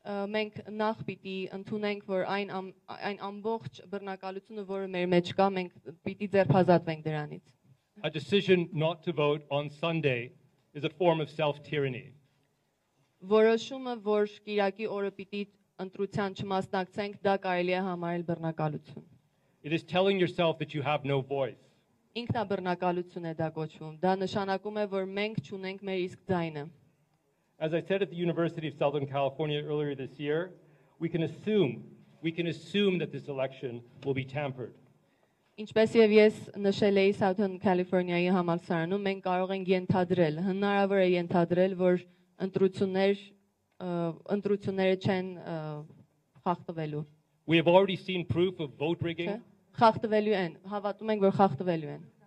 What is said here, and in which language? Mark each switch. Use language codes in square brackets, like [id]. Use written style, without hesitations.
[hy] մենք նախ պիտի ընդունենք, որ այն ամբողջ բռնակալությունը, որը մեր մեջ կա, մենք պիտի ձերբազատվենք դրանից. [en] A decision not to vote on Sunday is a form of self-tyranny. [hy] Որոշումը, որ կիրակի օրը պիտի ընտրության չմասնակցենք, դա կարելի է համարել բռնակալություն. [en] It is telling yourself that you have no voice. [hy] Ինքնաբռնակալություն է դա կոչվում, դա նշանակում է, որ մենք չունենք մեր իսկ ձայնը. [en] As I said at the University of Southern California earlier this year, we can assume that this election will be tampered. [hy] Ինչպես եւ ես նշել էի Southern California-ի համալսարանում, մենք կարող ենք ենթադրել, հնարավոր է ենթադրել, որ ընտրությունները չեն խախտվելու։ [en] We have already seen proof of vote rigging. [hy] Խախտվելու են, հավատում ենք, որ խախտվելու են։